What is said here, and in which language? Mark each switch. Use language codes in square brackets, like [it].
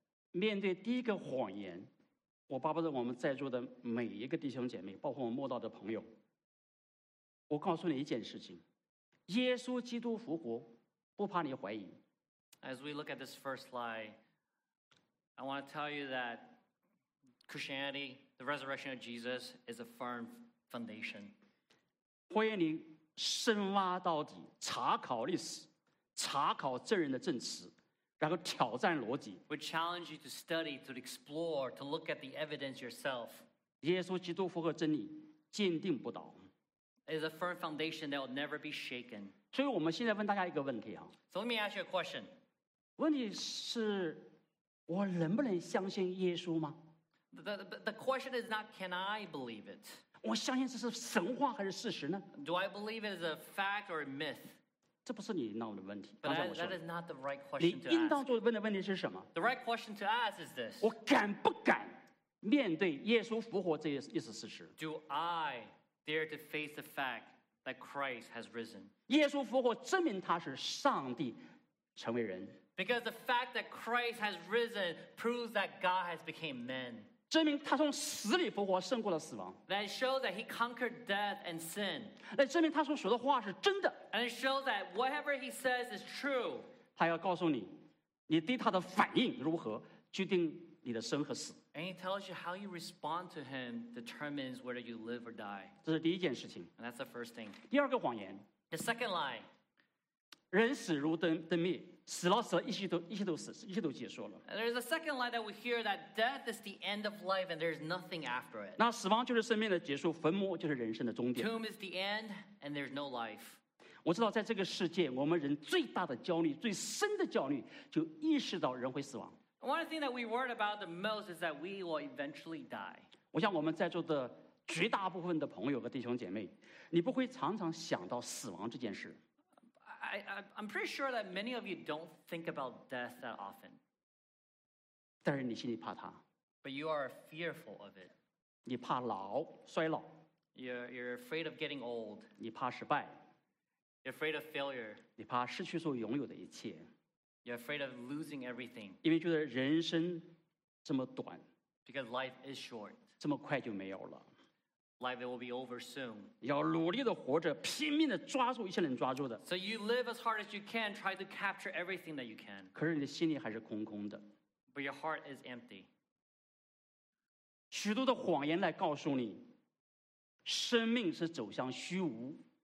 [zh] 面对第一个谎言，我巴不得我们在座的每一个弟兄姐妹，包括我们慕道的朋友，我告诉你一件事情：耶稣基督复活，不怕你怀疑。 [en] As we look at this first lie, I want to tell you that Christianity, the resurrection of Jesus, is a firm foundation. [zh] 欢迎你深挖到底，查考历史。查考证人的证词，然后挑战逻辑。 [en] We challenge you to study, to explore, to look at the evidence yourself. [zh] 耶稣基督复活真理坚定不倒。 [en] It's a firm foundation that will never be shaken. [zh] 所以我们现在问大家一个问题啊。 [en] So let me ask you a question. [zh] 问题是，我能不能相信耶稣吗？ [en] The question is not, can I believe it? [zh] 我相信这是神话还是事实呢？ [en] Do I believe it is a fact or a myth? [zh] 这不是你闹的问题。 [en] But that is not the right question to ask. [zh] 你应当做问的问题是什么？ [en] The right question to ask is this. [zh] 我敢不敢面对耶稣复活这一事实？ [en] Do I dare to face the fact that Christ has risen? [zh] 耶稣复活证明他是上帝成为人。 [en] Because the fact that Christ has risen proves that God has become man. [zh] 证明他从死里复活胜过了死亡。 [en] That shows that he conquered death and sin. [zh] 那证明他所说的话是真的。 [en] And it shows that whatever he says is true. [zh] 他要告诉你，你对他的反应如何，决定你的生和死。 [en] And he tells you how you respond to him determines whether you live or die. [zh] 这是第一件事情。 [en] And that's the first thing. [zh] 第二个谎言。 [en] The second lie. [zh] 人死如灯灭，死了死了，一切都结束了。 [en] And there's a second lie that we hear that death is the end of life and there's nothing after it. [zh] 那死亡就是生命的结束，坟墓就是人生的终点。 [en] Tomb is the end and there's no life. [zh] 我知道在这个世界我们人最大的焦虑最深的焦虑就意识到人会死亡。 [en] One thing that we worry about the most is that we will eventually die. [zh] 我想我们在座的绝大部分的朋友和弟兄姐妹，你不会常常想到死亡这件事。 [en] I'm pretty sure that many of you don't think about death that often. [zh] 但是你心里怕它。 [en] But you are fearful of it. [zh] 你怕老衰老。 [en] You're afraid of getting old. [zh] 你怕失败。 [en] You're afraid of failure. [zh] 你怕失去所拥有的一切。 [en] You're afraid of losing everything. [zh] 因为觉得人生这么短。 [en] Because life is short. [zh] 这么快就没有了。 [en] Life will be over soon. [zh] 要努力的活着，拼命的抓住一切能抓住的。 [en] So you live as hard as you can, try to capture everything that you can. [zh] 可是你的心里还是空空的。 [en] But your heart is empty. [zh] 许多的谎言来告诉你，生命是走向虚无。